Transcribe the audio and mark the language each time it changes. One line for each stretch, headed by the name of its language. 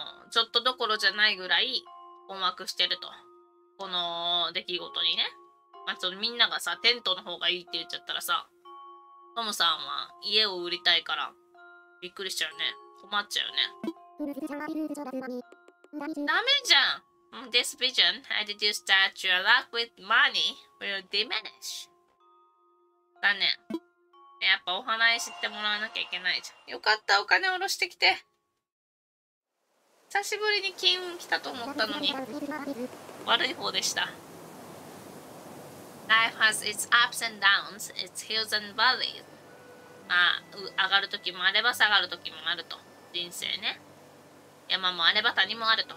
Japanese: ちょっとどころじゃないぐらい困惑してると。この出来事にね。まあ、そのみんながさ、テントの方がいいって言っちゃったらさ、トムさんは家を売りたいから、びっくりしちゃうね。困っちゃうね。ダメじゃん
English: !This vision, I deduce that your luck with money will diminish.
Japanese: 残念。やっぱお花いしってもらわなきゃいけないじゃん。よかった、お金下ろしてきて。久しぶりに金運来たと思ったのに、悪い方でした。
English: Life has its ups and downs, its hills and valleys.
Japanese: まあ、上がる時もあれば下がる時もあると。人生ね。山もあれば谷もあると。